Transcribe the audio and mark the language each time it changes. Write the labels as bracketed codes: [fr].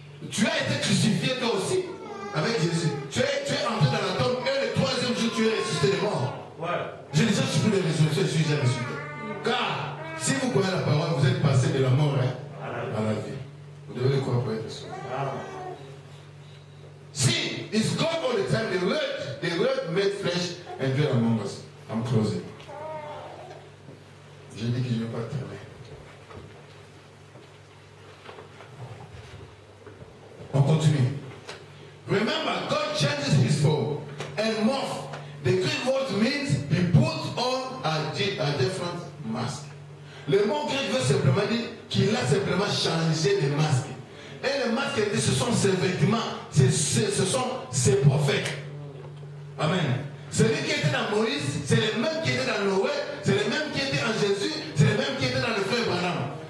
[fr] Tu as été crucifié toi aussi avec Jésus. Tu es entré dans la tombe et le troisième jour tu es ressuscité des morts. Ouais. Je ne cherche plus les résolutions, je suis déjà ressuscité. Car si vous croyez la parole, vous êtes passé de la mort à la vie. Vous devez le croire pour être ressuscité. Ah. [en] Si, it's God all the time, the word made flesh and dwell among us. I'm closing. [fr] Je dis que je ne vais pas terminer. On continue. [en] Remember, God changes his form and morph. The Greek word means he puts on a different mask. [fr] Le mot grec veut simplement dire qu'il a simplement changé de masque. Et le masque, dit, ce sont ses vêtements, ce sont ses prophètes. Amen. Celui qui était dans Moïse, c'est le même qui était dans Noé, c'est le même qui était en Jésus, c'est le même qui était dans le frère Branham.